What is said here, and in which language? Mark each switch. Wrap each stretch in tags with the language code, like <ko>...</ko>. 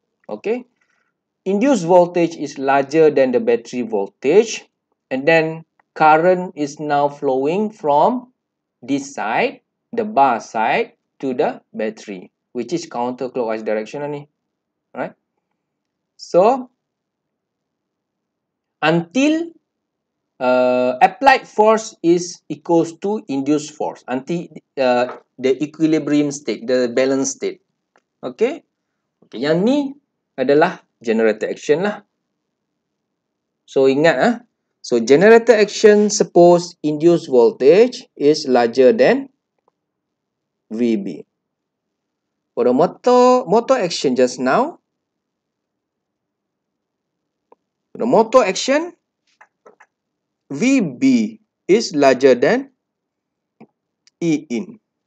<en>Okay, induced voltage is larger than the battery voltage, and then current is now flowing from this side, the bar side, to the battery, which is counterclockwise direction ni, right? So until applied force is equals to induced force, until the equilibrium state, the balance state. Okay.</en> <ms>Okay, yang ni adalah generator action lah. So ingat</ms> <en>So generator action suppose induced voltage is larger than VB. For the motor action just now, the motor action, VB is larger than E in.</en>